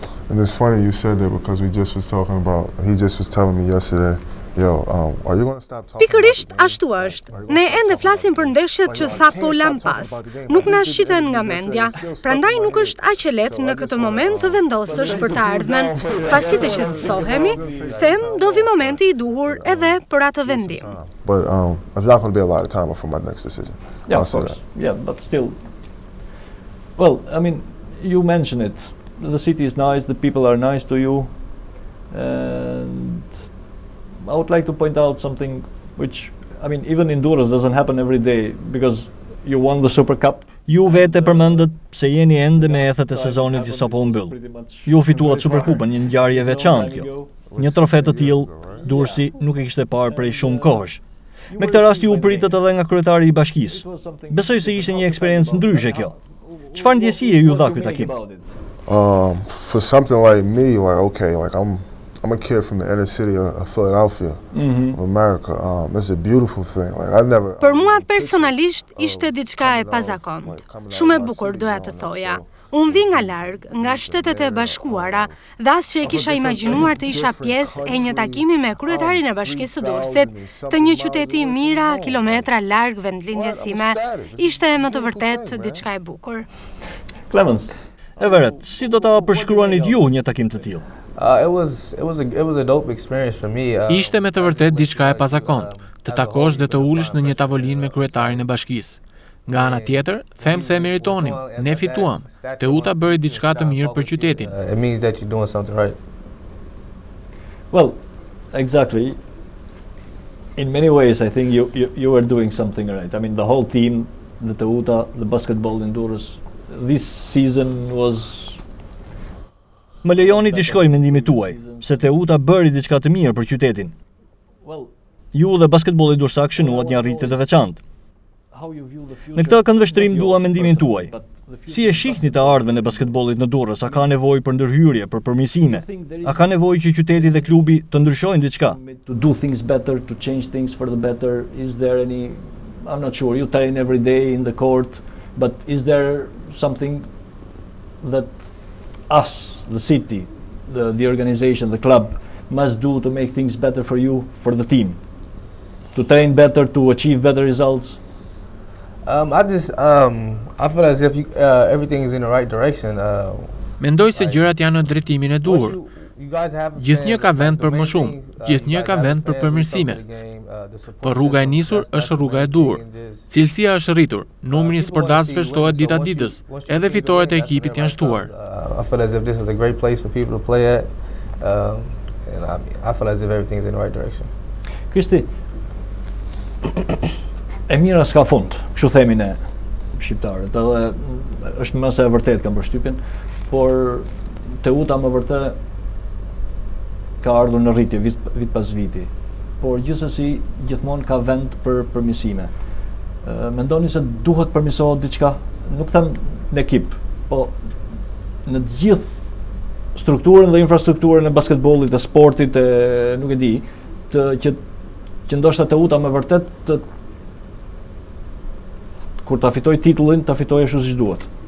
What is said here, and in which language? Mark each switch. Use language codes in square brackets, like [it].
[en] And it's funny you said that because he just was telling me yesterday, are you going to stop talking? [sq] Pikërisht ashtu është. Ne ende flasim për ndeshjet që sapo lan pas. Nuk na shiten nga mendja. Prandaj nuk është aq e lehtë në këtë moment të vendosësh për të ardhmen. Pasi të qetësohemi, them do vi momenti i duhur edhe për atë vendim. [en] But it's not going to be a lot of time before my next decision. Yeah, I'll say that. Yeah, but still. Well, I mean, you mentioned it. The city is nice, the people are nice to you, and I would like to point out something which, I mean, even in Durrës doesn't happen every day, because you won the Super Cup. [sq] Ju vetë e përmendët se jeni ende me ethet e sezonit që sapo u mbyll. Ju fituat Superkupën, një ngjarje veçantë kjo. Një trofe të tillë, Durrësi nuk e kishte parë prej shumë kohësh. Me këtë rast ju pritet edhe nga kryetari i bashkisë. Besoj se ishte një eksperiencë ndryshe kjo. Çfarë ndjesie ju dha ky takim? [en] For something like me, I'm a kid from the inner city of Philadelphia, of America. It's a beautiful thing. [sq] Për mua personalisht ishte diçka e pazakont. Shumë e bukur doja të thoja. Unë vi nga larg, nga Shtetet e Bashkuara, dhe as që e kisha imaginuar të isha pjesë e një takimi me kryetarin e bashkisë së Durrësit, të një qyteti mira kilometra larg vendlindjes sime, ishte më të vërtet diçka e bukur. Clemens, e vërtet, si do ta përshkruanit ju një takim të tillë? [en] It was a dope experience for me. [sq] Ishte me të vërtet diçka e pazakontë, të takosh dhe të ulësh në një tavolinë me kryetarin e bashkisë. Nga ana tjetër, them se e meritonim, ne fituam. Teuta bëri diçka të mirë për qytetin. [en] It means that you're doing something right. Well, exactly. In many ways I think you are doing something right. I mean the whole team, the Teuta, the basketball in Durrës. This season was... [sq] Më lejoni të shkoj mendimi tuaj, se Teuta bëri diçka të mirë për qytetin. Ju dhe basketbolli dursak shënuat një arritje të veçantë. Në këtë këndvështrim dua mendimin tuaj. Si e shihni të ardhmen e basketbollit në Durrës? A ka nevojë për ndërhyrje, për përmirësime? A ka nevojë që qyteti dhe klubi të ndryshojnë diçka? [en] To do things better, to change things for the better, is there any... I'm not sure, you train every day in the court, but is there something that us, the city, the organization, the club, must do to make things better for you, for the team? To train better, to achieve better results? I feel as if everything is in the right direction. [sq] Mendoj se gjërat janë në drejtimin e duhur. Gjithnjë ka vend për më shumë, gjithnjë ka vend për përmirësime. Por rruga e nisur është rruga e duhur. Cilësia është rritur, numri i sportasve shtohet dita ditës, edhe fitoret e ekipit janë shtuar. [en] I feel as if this is a great place for people to play at, and I feel as if everything is in the right direction. [sq] Kristi, e mira s'ka fund, kështu themi ne shqiptarët, edhe është më së vërtet kam përshtypjen, por Teuta më vërtet ka ardhur në rritje vit pas viti. Por gjithsesi gjithmonë ka vend për përmirësime. Mendoni se duhet përmirësohet diçka, nuk them në ekip, po në të gjithë strukturën dhe infrastrukturën e basketbollit, e sportit, e nuk e di, që ndoshta Teuta më vërtet të kur ta fitoj titullin, ta fitoj ashtu siç duhet.